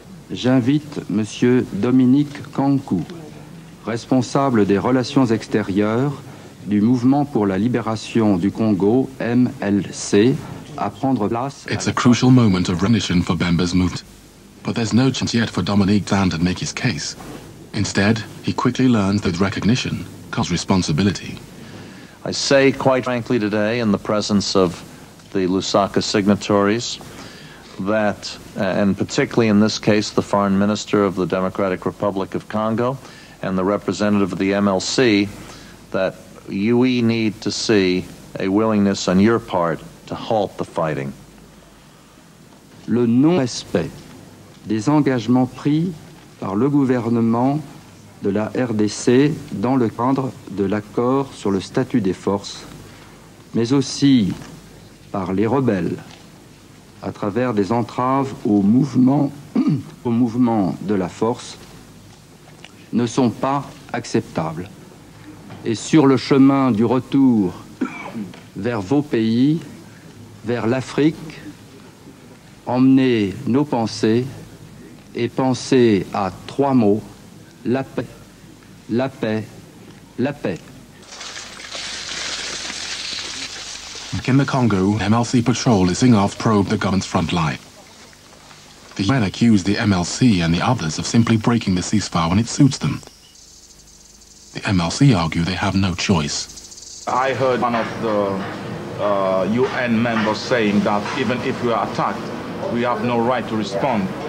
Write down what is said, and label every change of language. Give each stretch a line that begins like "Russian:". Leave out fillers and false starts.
French: J'invite Monsieur Dominique Kankou, responsable des relations extérieures du Mouvement pour la Libération du Congo, MLC, à prendre place.
English: It's a crucial moment of recognition for Bemba's movement. But there's no chance yet for Dominique to stand and make his case. Instead, he quickly learns that recognition comes responsibility. I say quite frankly today, in the presence of the Lusaka signatories, that, and particularly in this case, the foreign minister of the Democratic Republic of Congo and the representative of the MLC, that we need to see a willingness on your part to halt the fighting.
French: Le non-respect des engagements pris par le gouvernement de la RDC dans le cadre de l'accord sur le statut des forces, mais aussi par les rebelles à travers des entraves au mouvement de la force, ne sont pas acceptables. Et sur le chemin du retour vers vos pays, vers l'Afrique, emmenez nos pensées et pensez à trois mots, la paix, la paix, la paix.
English: In the Congo, MLC patrol is seeing off probe the government's front line. The UN accused the MLC and the others of simply breaking the ceasefire when it suits them. The MLC argue they have no choice. I heard one of the UN members saying that even if we are attacked, we have no right to respond.